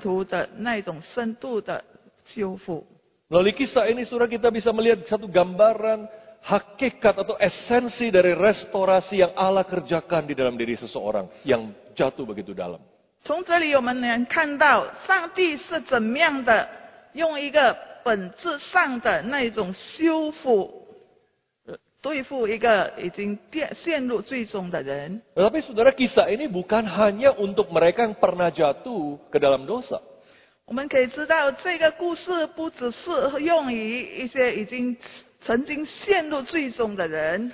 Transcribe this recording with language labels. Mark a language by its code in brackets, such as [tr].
[zh] 今天让我们来看到一个修复的故事，是关于主耶稣对他一个门徒他所爱的门徒的那种深度的修复。 [id] Melalui kisah ini saudara kita bisa melihat satu gambaran hakikat atau esensi dari restorasi yang Allah kerjakan di dalam diri seseorang yang jatuh begitu dalam. [zh] 从这里我们能看到上帝是怎么样的用一个本质上的那种修复，对付一个已经陷入最终的人。 [id] Tapi saudara, kisah ini bukan hanya untuk mereka yang pernah jatuh ke dalam dosa. [zh] 我们可以知道这个故事不只是用于一些已经 曾经陷入最终的人,